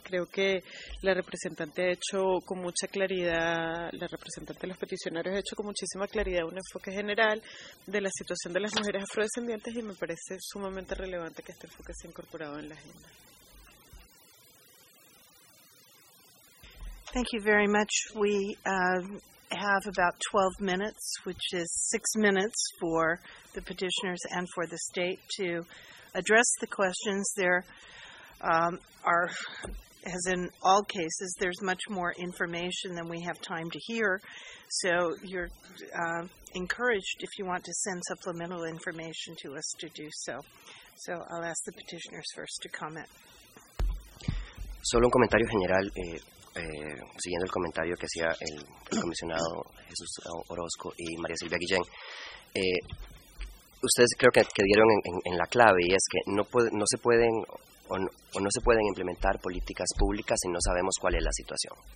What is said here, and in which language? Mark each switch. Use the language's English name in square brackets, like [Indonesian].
[Spanish] Creo que la representante ha hecho con mucha claridad, la representante de los peticionarios ha hecho con muchísima claridad un enfoque general de la situación de las mujeres afrodescendientes y me parece sumamente relevante que este enfoque sea incorporado en la agenda. [English] Thank you very much. We have about 12 minutes, which is 6 minutes for the petitioners and for the state to address the questions. There are, as in all cases, there's much more information than we have time to hear. So you're encouraged, if you want to send supplemental information to us, to do so. So I'll ask the petitioners first to comment. [Spanish] Solo un comentario general. Siguiendo el comentario que hacía el comisionado Jesús Orozco y María Silvia Guillén, ustedes creo que dieron en la clave, y es que no se pueden implementar políticas públicas si no sabemos cuál es la situación.